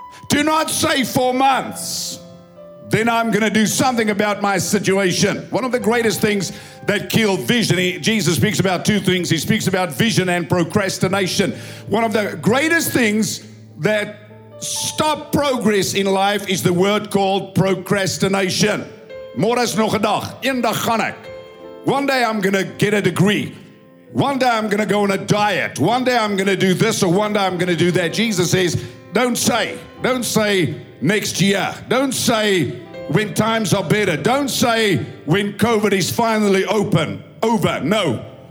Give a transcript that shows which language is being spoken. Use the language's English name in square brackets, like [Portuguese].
[English] Do not say 4 months, then I'm going to do something about my situation. One of the greatest things that kill vision, Jesus speaks about two things. He speaks about vision and procrastination. One of the greatest things that stop progress in life is the word called procrastination. [Afrikaans] Moris nog 'n dag, eendag gaan ek. [English] One day I'm going to get a degree. One day I'm going to go on a diet. One day I'm going to do this or one day I'm going to do that. Jesus says, don't say next year. Don't say when times are better. Don't say when COVID is finally over. No.